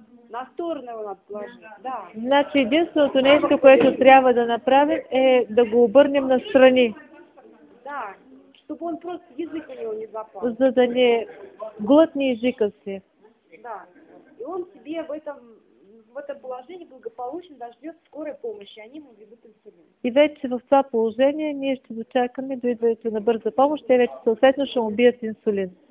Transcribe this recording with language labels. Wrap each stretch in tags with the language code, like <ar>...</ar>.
<ru>На сторону его надо положить, да. Значит, единственное нечто,</ru> <bg>което трябва да направим, е да го обърнем на страни.</bg> <ru>Да, чтобы он просто язык у него не запал.</ru> <bg>За да не глотни языка си.</bg> <ru>Да, и он себе в этом положении благополучно дождет скорой помощи, они ему ведут инсулин.</ru> <bg>И вече в това положение ние ще дочакаме до идването на бърза помощ, те вече съответно ще му бият инсулин.</bg>